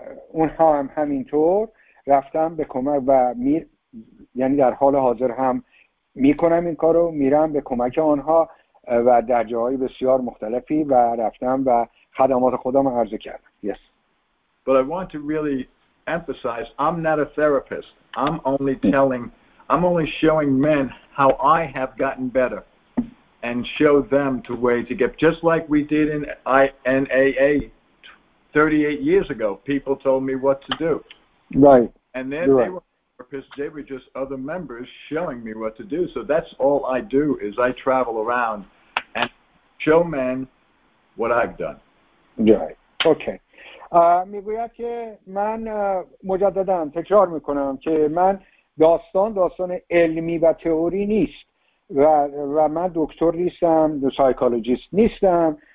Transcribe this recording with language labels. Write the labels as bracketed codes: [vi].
[fa] اونها هم همینطور رفتم به کمک و یعنی در حال حاضر هم میکنم این کارو، میرم به کمک آنها و در جاهای بسیار مختلفی و رفتم و خدمات خودم رو عرضه کردم. [en] Yes. But I want to really emphasize, I'm not a therapist. I'm only showing men how I have gotten better and show them the way to get, just like we did in AA 38 years ago, people told me what to do. Right. And then they were therapists. They were just other members showing me what to do. So that's all I do is I travel around and show men what I've done. Right. Okay. [fa] میگوید که من مجددا تکرار میکنم که من داستان علمی و تئوری نیست و من دکتر نیستم، سایکولوژیست نیستم.